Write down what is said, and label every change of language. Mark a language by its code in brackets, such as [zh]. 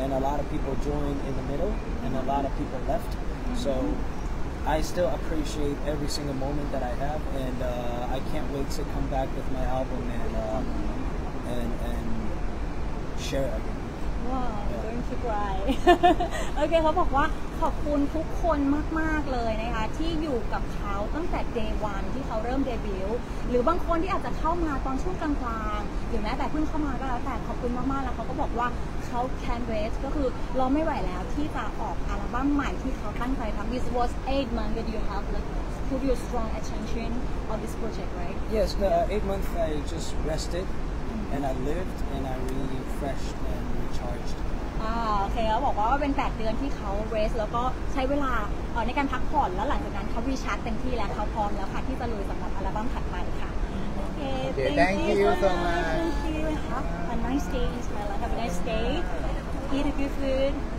[en] And a lot of people joined in the middle and a lot of people left. So I still appreciate every single moment that I have and I can't wait to come back with my album and share it again. Wow, going to cry. [th] Okay, เขาบอกว่าขอบคุณทุกคนมากๆเลยนะคะที่อยู่กับเขาตั้งแต่ day one ที่เขาเริ่มเดบิวต์หรือบางคนที่อาจจะเข้ามาตอนช่วงกลางๆหรือแม้แต่เพิ่งเข้ามาก็แล้วแต่ขอบคุณมากๆแล้วเขาก็บอกว่าเขา can wait ก็คือเราไม่ไหวแล้วที่จะออกอัลบั้มใหม่ที่เขาตั้งใจทำ [en] This was 8 months that you have like put your strong attention on this project right Yes the 8 months I just rested and I lived and I really refreshed and recharged [th] โอเคเขาบอกว่าเป็น8เดือนที่เขาเรสแล้วก็ใช้เวลาในการพักผ่อนแล้วหลังจากนั้นเขารีชาร์จเต็มที่แล้วเขาพร้อมแล้วค่ะที่จะลุยสำหรับอัลบั้มถัดไปค่ะโอเค [en] thank you so much thank you have a nice day Ismaila have a nice day eat a good food